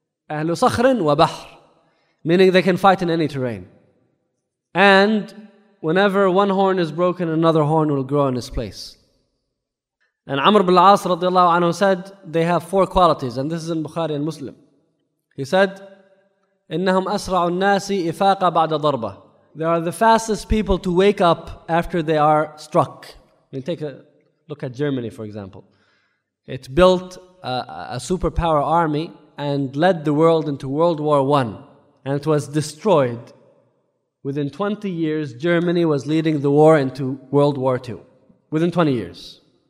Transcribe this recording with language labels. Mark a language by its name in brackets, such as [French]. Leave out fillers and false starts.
[Arabic] Ahlu sakhrin wa bahr. [English] Meaning they can fight in any terrain. And whenever one horn is broken, another horn will grow in its place. And Amr ibn al-As radiallahu anhu said, they have four qualities. And this is in Bukhari and Muslim. He said, [Arabic] إِنَّهُمْ أَسْرَعُ النَّاسِ إِفَاقَ بَعْدَ ضَرْبَةً. [English] They are the fastest people to wake up after they are struck. I mean, take a look at Germany, for example. It built a superpower army and led the world into World War I. And it was destroyed. Within 20 years, Germany was leading the war into World War II. Within 20 years.